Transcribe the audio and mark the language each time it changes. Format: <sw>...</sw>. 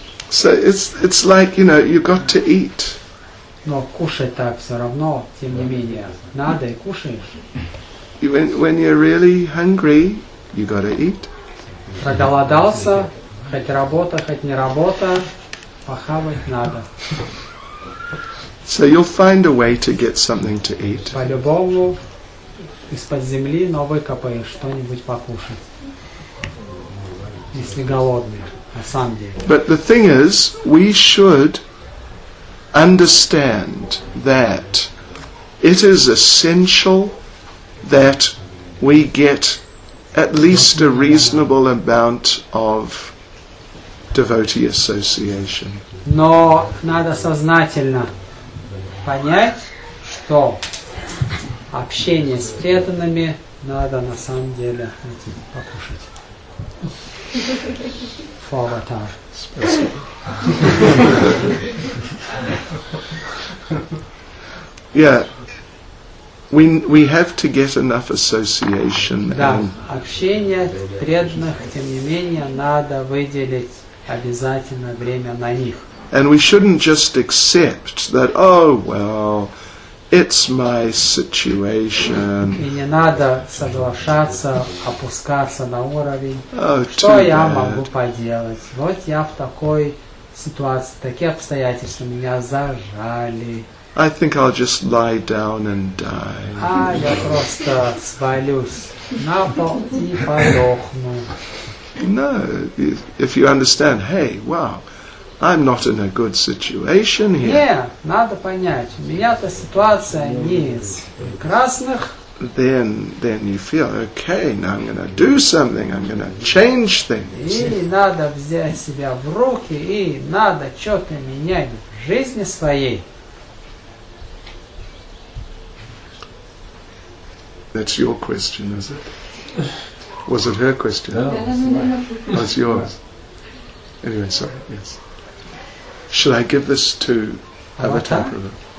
<en>So it's like, you know, you got to eat.</en> <ru>Но кушать так все равно, тем не менее, надо и кушаешь.</ru> <en>When you're really hungry, you got to eat.</en> <ru>Проголодался, хоть работа, хоть не работа, похавать надо.</ru> <en>So you'll find a way to get something to eat.</en> <ru>По-любому из-под земли, но выкопаешь что-нибудь покушать. Если голодный, на самом деле.</ru> <en>But the thing is, we should understand that it is essential that we get at least a reasonable amount of devotee association.</en> <ru>Но надо сознательно понять, что общение с преданными надо на самом деле покушать.</ru> <en>For a time. Yeah. We have to get enough association.</en> <ru>Да, общение преданных, тем не менее, надо выделить обязательно время на них.</ru> <en>And we shouldn't just accept that, oh well, it's my situation.</en> <ru>И не надо соглашаться, опускаться на уровень.</ru> <en>Oh,</en> <ru>что я могу поделать? Вот я в такой ситуации, такие обстоятельства меня зажали.</ru> <en>I think I'll just lie down and die.</en> <ru>А я просто свалюсь на пол и подохну.</ru> <en>No, if you understand, hey, wow. I'm not in a good situation here.</en> <ru>Не, надо понять, у меня-то ситуация не из прекрасных.</ru> <en>Then you feel, okay, now I'm going to do something, I'm going to change things.</en> <ru>И надо взять себя в руки, и надо что-то менять в жизни своей.</ru> <en>That's your question, is it? Was it her question? No. It's yours. Anyway, sorry, yes. Should I give this to Avatar Prabhu?</en>